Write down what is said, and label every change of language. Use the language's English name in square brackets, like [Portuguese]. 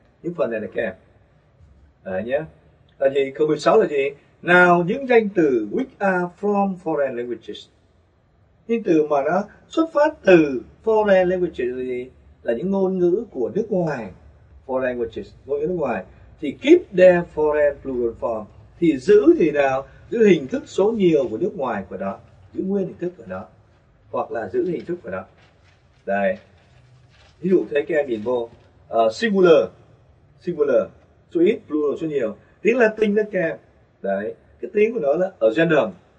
[Vietnamese] Những phần này là các em. Đấy nhé. Là gì? Câu 16 là gì? Nào những danh từ [English] which are from foreign languages. [Vietnamese] Những từ mà nó xuất phát từ [English] foreign languages [Vietnamese] là gì? Là những ngôn ngữ của nước ngoài. [English] Foreign languages, [Vietnamese] ngôn ngữ nước ngoài. [English] Thì keep their foreign plural form. [Vietnamese] Thì giữ thì nào? Giữ hình thức số nhiều của nước ngoài của đó. Giữ nguyên hình thức của đó. Hoặc là giữ hình thức của đó. Đây. Ví dụ thế các em nhìn vô. Singular. Singular. Số ít, plural số nhiều. Tiếng Latin đó các em. Đấy, cái tiếng của nó là agendum,